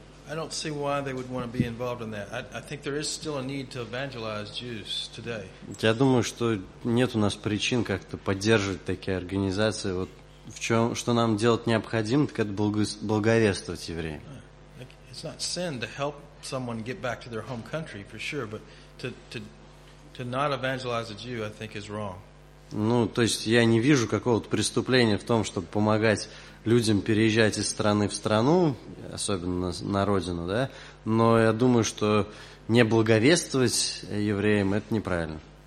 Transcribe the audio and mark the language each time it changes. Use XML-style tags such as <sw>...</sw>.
<en>I don't see why they would want to be involved in that. I think there is still a need to evangelize Jews today.</en> <ru>Я думаю, что нет у нас причин как-то поддерживать такие организации. Вот в чем, что нам делать необходимо, так это благовествовать евреям.</ru> <en>It's not sin to help someone get back to their home country, for sure, but to not evangelize a Jew, I think, is wrong.</en> <ru>Ну, то есть я не вижу какого-то преступления в том, чтобы помогать людям переезжать из страны в страну, особенно на родину, да? Но я думаю, что не благовествовать евреям – это неправильно.</ru>